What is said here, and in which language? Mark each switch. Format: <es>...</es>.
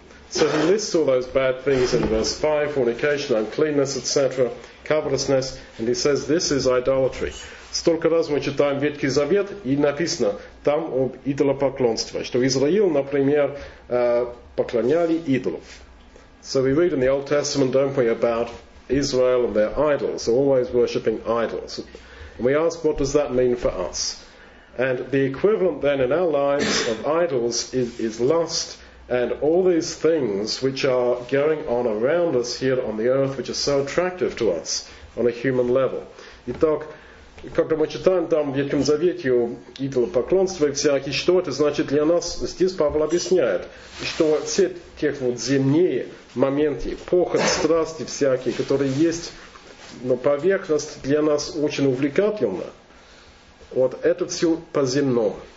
<en>So he lists all those bad things in verse 5, fornication, uncleanness, etc., covetousness, and he says this is idolatry.</en> <ru>Столько раз мы читаем Ветхий Завет, и написано там об идолопоклонстве, что Израиль, например, поклоняли идолов.</ru> <en>So we read in the Old Testament, don't we, about Israel and their idols, always worshipping idols. And we ask, what does that mean for us? And the equivalent then in our lives of idols is lust, and all these things which are going on around us here on the earth, which are so attractive to us on a human level.</en> <ru>Итак, когда мы читаем там в Ветхом Завете о идолопоклонстве всяких, что это значит для нас? Здесь Павел объясняет, что все те вот земные моменты, похоть, страсти всякие, которые есть, но поверхность для нас очень увлекательна, вот это все по-земному.</ru>